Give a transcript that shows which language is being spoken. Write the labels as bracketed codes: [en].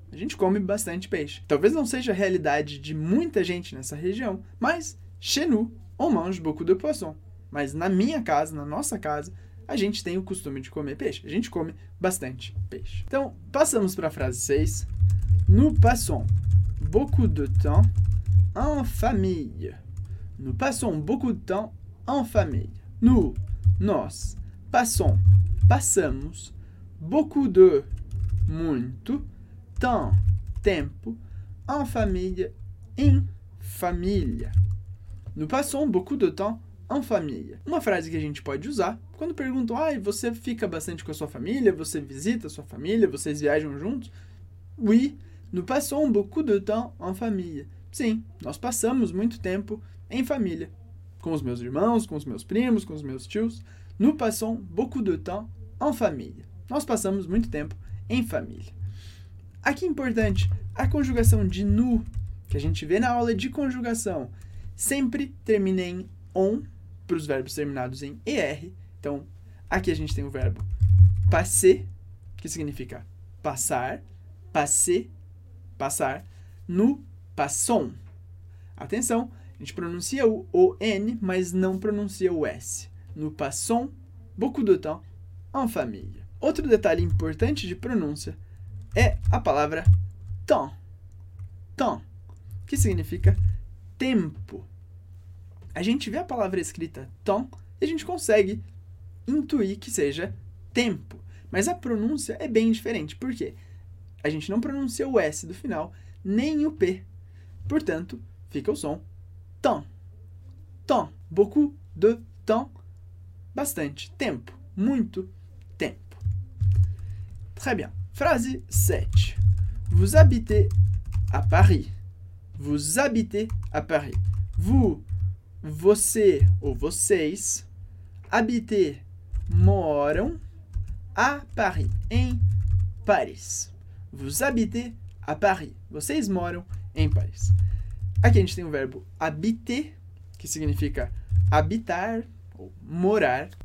[pt] A gente come bastante peixe. Talvez não seja a realidade de muita gente nessa região, mas [fr] chez nous, on mange beaucoup de poisson. [pt] Mas na minha casa, na nossa casa, a gente tem o costume de comer peixe. A gente come bastante peixe. Então, passamos para a frase 6. [fr] Nous passons beaucoup de temps en famille. Nous passons beaucoup de temps en famille. Nous, nós, passons, passamos, beaucoup de, muito, temps, tempo, en famille, em família. Nous passons beaucoup de temps en famille. [pt] Uma frase que a gente pode usar quando perguntam, ah, você fica bastante com a sua família? Você visita a sua família? Vocês viajam juntos? [fr] Oui, nous passons beaucoup de temps en famille. [pt] Sim, nós passamos muito tempo em família. Com os meus irmãos, com os meus primos, com os meus tios. [fr] Nous passons beaucoup de temps en famille. [pt] Nós passamos muito tempo em família. Aqui é importante a conjugação de nous, que a gente vê na aula de conjugação. Sempre termina em on, para os verbos terminados em er. Então, aqui a gente tem o verbo passer, que significa passar, passer, passar, nous passons. Atenção, a gente pronuncia o O-N, mas não pronuncia o S. [fr] Nous passons beaucoup de temps en famille. [pt] Outro detalhe importante de pronúncia é a palavra temps, temps, que significa tempo. A gente vê a palavra escrita temps e a gente consegue intuir que seja tempo. Mas a pronúncia é bem diferente, porque a gente não pronuncia o S do final, nem o P. Portanto, fica o som temps. Temps. [fr] Beaucoup de temps. [pt] Bastante tempo. Muito tempo. [fr] Très bien. [pt] Frase 7. [fr] Vous habitez à Paris. vous habitez à Paris. [pt] Vous, você ou vocês, habitez, moram à Paris, em Paris. [fr] Vous habitez à Paris. [pt] Vocês moram em Paris. Aqui a gente tem o verbo habiter, que significa habitar ou morar.